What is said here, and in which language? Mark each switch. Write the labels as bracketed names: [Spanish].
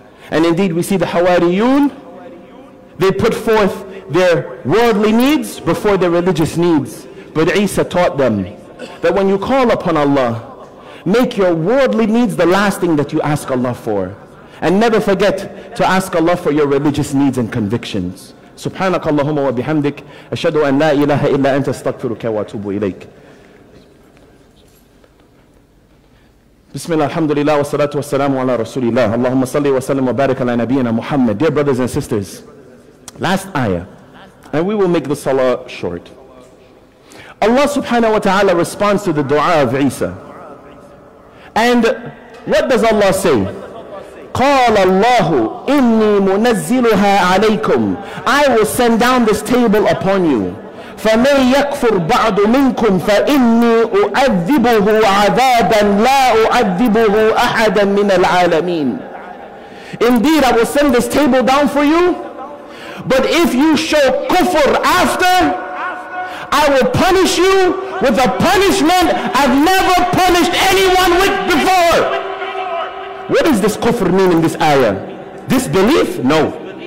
[English] And indeed, we see the Hawariyun, they put forth their worldly needs before their religious needs. But Isa taught them that when you call upon Allah, make your worldly needs the last thing that you ask Allah for. And never forget to ask Allah for your religious needs and convictions. [Arabic] سبحانك اللهم وبحمدك أشهد أن لا إله إلا أنت استغفرك وأتوب إليك بسم الله الحمد لله والصلاة والسلام على رسول الله اللهم صل وسلم وبارك على نبينا محمد. [English] Dear brothers and sisters, last ayah, and we will make the salah short. Allah subhanahu wa ta'ala responds to the dua of Isa, and what does Allah say? [Arabic] قال الله إني منزلها عليكم. [English] I will send down this table upon you. [Arabic] فمن يكفر بعض منكم فإني أعذبه عذابا لا أعذبه أحدا من العالمين. [English] Indeed, I will send this table down for you. But if you show kufr after, I will punish you with a punishment I've never punished anyone with before. What is does this kufr mean in this ayah? Disbelief? No.